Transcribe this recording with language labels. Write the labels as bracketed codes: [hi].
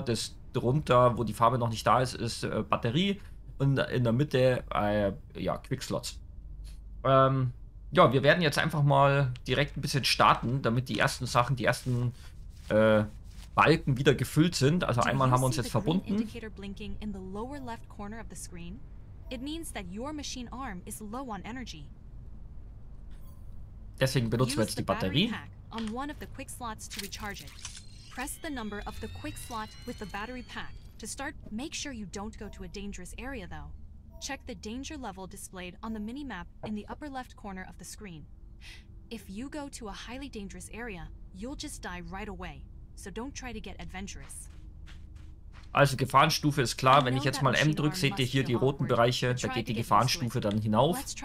[de] Das drunter, wo die Farbe noch nicht da ist, ist Batterie. Und in der Mitte, Quickslots. Wir werden jetzt einfach mal direkt ein bisschen starten, damit die ersten Sachen, die ersten Balken wieder gefüllt sind. Also einmal haben wir uns jetzt verbunden. [en] Blinking in the lower left corner of the screen? It means that your machine arm is low on energy. [de] Deswegen benutzen wir jetzt die Batterie. [en] On one of the quick slots to recharge it. Press the number of the quick slot with the battery pack. To start, make sure you don't go to a dangerous area though. Check the danger level displayed on the mini map in the upper left corner of the screen. If you go to a highly dangerous area, you'll just die right away. So don't try to get adventurous. [de] Also Gefahrenstufe ist klar, wenn ich jetzt mal M drücke, seht ihr hier die roten Bereiche, da geht die Gefahrenstufe dann hinauf.